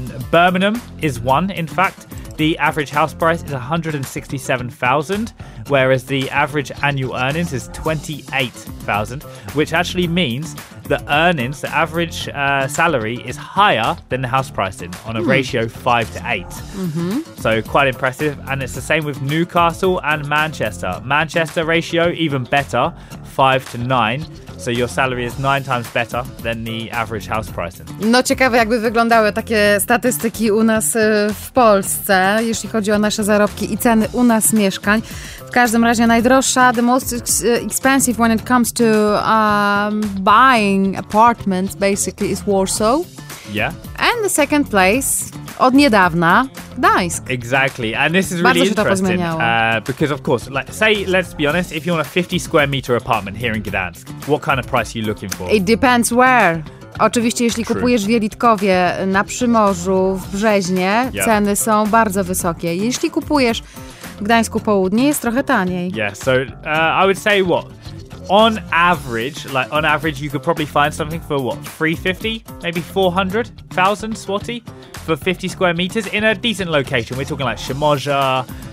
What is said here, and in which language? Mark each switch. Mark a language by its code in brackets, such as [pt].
[en] Birmingham is one, in fact. The average house price is £167,000, whereas the average annual earnings is £28,000, which actually means the earnings, the average salary, is higher than the house pricing on a ratio 5-to-8. Mm-hmm. So quite impressive. And it's the same with Newcastle and Manchester. Manchester ratio, even better, 5-to-9. So your salary is 9 times better than the average house pricing. [pl] No ciekawe, jakby wyglądały takie statystyki u nas w Polsce, jeśli chodzi o nasze zarobki i ceny u nas mieszkań. W każdym razie najdroższa, [en] the most expensive when it comes to buying apartments basically is Warsaw. Yeah. And the second place, [pl] od niedawna, [en] Gdańsk. Exactly. And this is really interesting. Because of course, like, say, let's be honest, if you want a 50 square meter apartment here in Gdańsk, what kind of price are you looking for? It depends where. [pl] Oczywiście, jeśli [en] True. [pl] Kupujesz w Jelitkowie, na Przymorzu, w Brzeźnie, yep. ceny są bardzo wysokie. Jeśli kupujesz w Gdańsku Południe, jest trochę taniej. [en] Yeah, so I would say what? On average, like on average, you could probably find something for what, 350, maybe 400,000 zloty for 50 square meters in a decent location. We're talking like Chimoja.